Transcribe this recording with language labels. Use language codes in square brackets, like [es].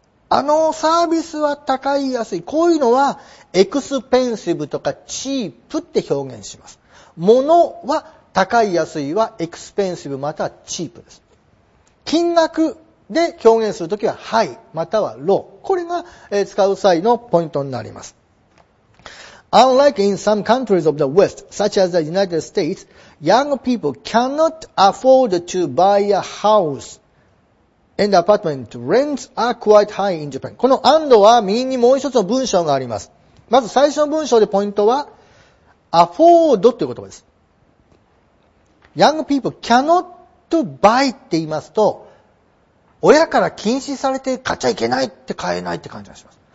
[ja] あのサービスは高い、安い。こういうのは、エクスペンシブとか、チープって表現します。物は高い、安いは、エクスペンシブまたは、チープです。金額で表現するときは、ハイ、またはロー。これが、使う際のポイントになります。 [en] Unlike in some countries of the West, such as the United States, young people cannot afford to buy a house and apartment. Rents are quite high in Japan. [ja] この and は右にもう一つの文章があります。まず最初の文章でポイントは afford という言葉です。 [en] Young people cannot buy [ja] って言いますと、親から禁止されて買っちゃいけないって買えないって感じがします。